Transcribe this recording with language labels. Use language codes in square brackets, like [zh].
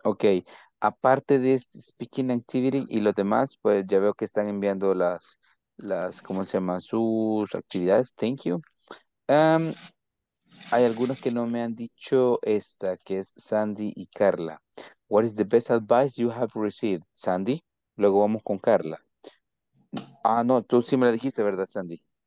[es] Okay, aparte de este speaking activity y los demás, pues ya veo que están enviando las ¿cómo se llama? Sus actividades. [en] Thank you. [es] Hay algunos que no me han dicho esta, que es Sandy y Carla. [en] What is the best advice you have received, Sandy? [es] Luego vamos con Carla. Ah, no, tú sí me la dijiste, ¿verdad, Sandy?